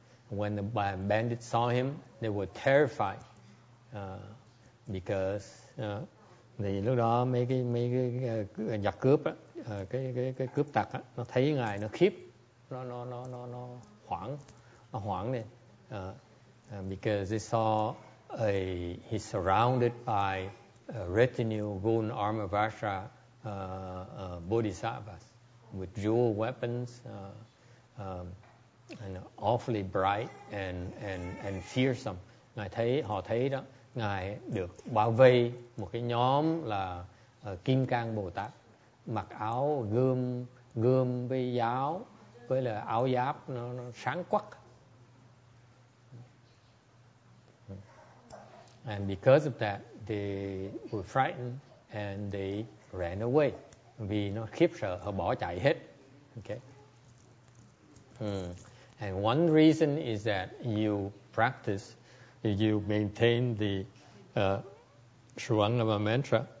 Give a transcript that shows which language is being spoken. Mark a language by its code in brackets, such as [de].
[en] When the bandits saw him, they were terrified because [vi] thì lúc đó mấy cái giặc cướp á, cái cướp tặc á, nó thấy ngài nó khiếp, nó hoảng lên. [en] Because they saw he's surrounded by a retinue gold armor Vajra bodhisattvas with jewel weapons and awfully bright and fearsome. [vi] Ngài thấy họ thấy đó ngài được bao vây một cái nhóm là kim cang bồ tát mặc áo gươm với giáo với là áo giáp nó sáng quắc. [en] And because of that, they were frightened and they ran away. Vì nó khiếp sợ, họ bỏ chạy hết. Okay. And one reason is that you practice, you maintain the Shruangama mantra.